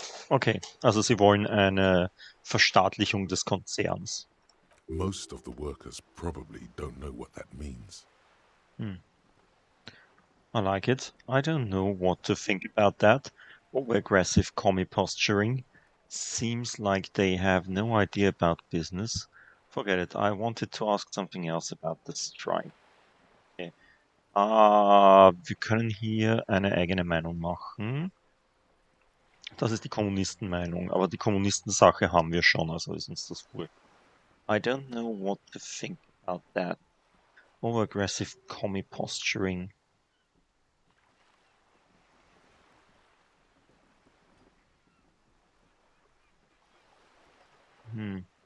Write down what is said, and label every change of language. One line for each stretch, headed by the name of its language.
German: Okay, also sie wollen eine Verstaatlichung des Konzerns.
English: Most of the workers probably don't know what that means. Hmm. I like it. I don't know what to think about that. Over aggressive commie posturing. Seems like they have no idea about business. Forget it. I wanted to ask something else about the strike.
German: Okay. Wir können hier eine eigene Meinung machen. Das ist die Kommunistenmeinung. Aber die Kommunistensache haben wir schon, also ist uns das wohl.
English: I don't know what to think about that. More aggressive commie posturing. Hmm.